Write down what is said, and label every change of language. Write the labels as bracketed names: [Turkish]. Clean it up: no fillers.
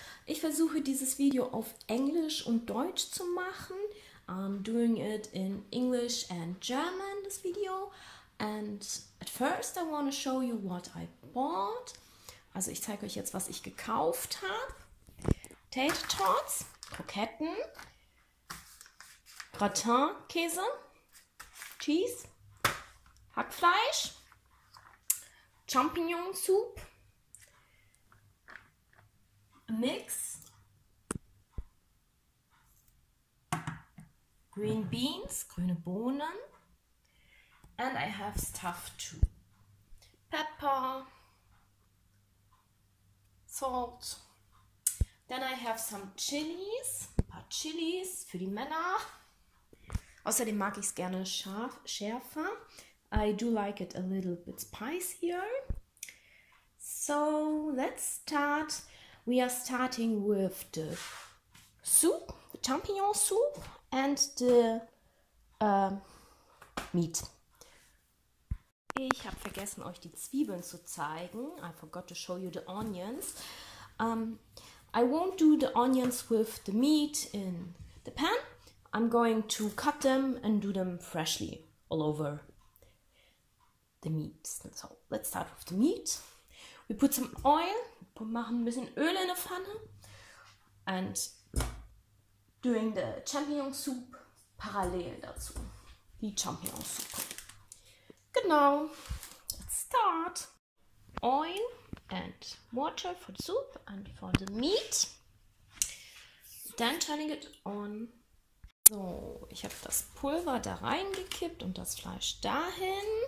[German] Ich versuche dieses Video auf Englisch und Deutsch zu machen. [English] I'm doing it in English and German, this video. And at first I want to show you what I bought. [German] Also ich zeige euch jetzt, was ich gekauft habe. [English] Tater Tots, Kroketten, Gratin, Käse, Cheese, Hackfleisch, Champignon-Soup, Mix, Green Beans, [German] grüne Bohnen, [English] and I have stuff too. Pepper, Salt, then I have some Chilies, [German] ein paar Chilies für die Männer. Außerdem mag ich es gerne scharf, schärfer. [English] I do like it a little bit spicier. So, let's start. We are starting with the soup, the champignon soup, and the meat. [German] Ich habe vergessen, euch die Zwiebeln zu zeigen. [English] I forgot to show you the onions. I won't do the onions with the meat in the pan. I'm going to cut them and do them freshly all over the meat. So, let's start with the meat. We put some oil. [German] Machen ein bisschen Öl in der Pfanne [English] and doing the Champignon Soup [German] parallel dazu. Die Champignon Soup. Genau. [English] Let's start. Oil and water for the soup and for the meat. Then turning it on. [German] So, ich habe das Pulver da reingekippt und das Fleisch dahin.